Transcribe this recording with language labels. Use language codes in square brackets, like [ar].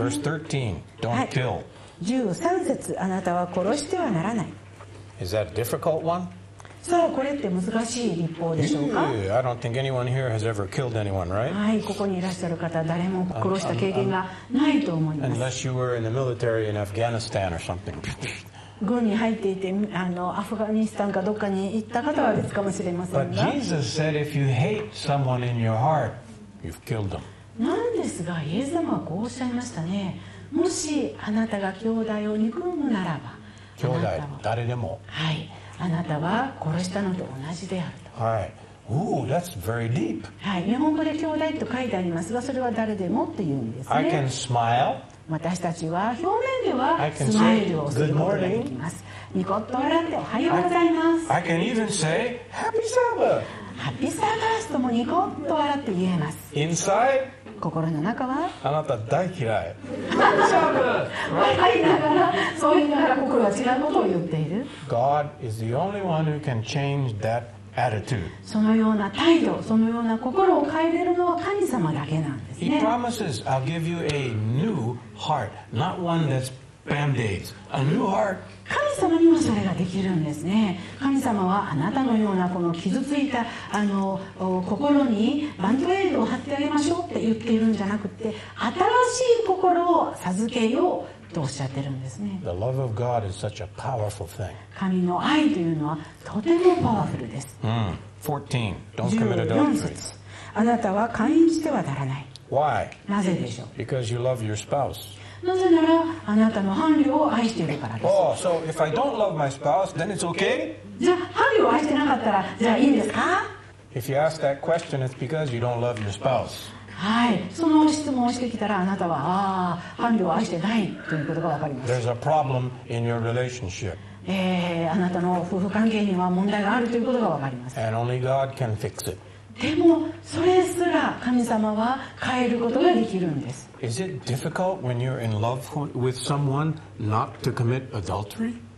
[en] Verse 13, don't kill、はい、 [ja] 13節、あなたは殺してはならない。 [en] Is that a difficult one? [ja] さあ、これって難しい立法でしょうか? [en] I don't think anyone here has ever killed anyone, right? [ja] はい、ここにいらっしゃる方、誰も殺した経験がないと思います。 [en] Unless you were in the military in Afghanistan or something. [ja] 軍に入っていて、アフガニスタンかどっかに行った方は別かもしれませんが。 [en] But Jesus said if you hate someone in your heart, you've killed them. [ja] なんですがイエス様はこうおっしゃいましたね。もしあなたが兄弟を憎むならば、兄弟誰でも、はい、あなたは殺したのと同じであると。 [en] はい。Ooh, that's very deep。 [ja] はい、日本語で兄弟と書いてありますが、それは誰でもって言うんですね。 [en] I can smile。 [ja] 私たちは表面ではスマイルをすることができます。ニコッと笑っておはようございます。 [en] I can even say happy Sabbath。 [ja] ハッピーサーバースともニコッと笑って言えます。 [en] Inside。 [ja] 心の中はあなた大嫌い笑いながらそう言いながら心は違うことを言っている [en] God is the only one who can change that attitude. [ja] そのような態度そのような心を変えれるのは神様だけなんですね [en] He promises I'll give you a new heart not one that's band-aids a new heart [ja] 神様にもそれができるんですね神様はあなたのようなこの傷ついたあの心にバンドエイドを貼ってあげましょうって言っているんじゃなくて新しい心を授けようとおっしゃってるんですね [en] The love of God is such a powerful thing. [ja] 神の愛というのはとてもパワフルです、 [en] 14 Don't commit adultery. [ja] あなたは姦淫してはならない [en] Why? [ja] なぜでしょう [en] Because you love your spouse. [ja] なぜならあなたの伴侶を愛しているからです。 [en] Oh, so if I don't love my spouse, then it's okay? [ja] じゃあ伴侶を愛してなかったらじゃあいいんですか [en] ？If you ask that question, it's because you don't love your spouse. [ja] はい、その質問をしてきたらあなたはああ伴侶を愛してないということがわかります。 [en] There's a problem in your relationship. [ja] あなたの夫婦関係には問題があるということがわかります。 [en] And only God can fix it. [ja] でもそれすら神様は変えることができるんです。 [en] Is it difficult when you're in love with someone not to commit adultery?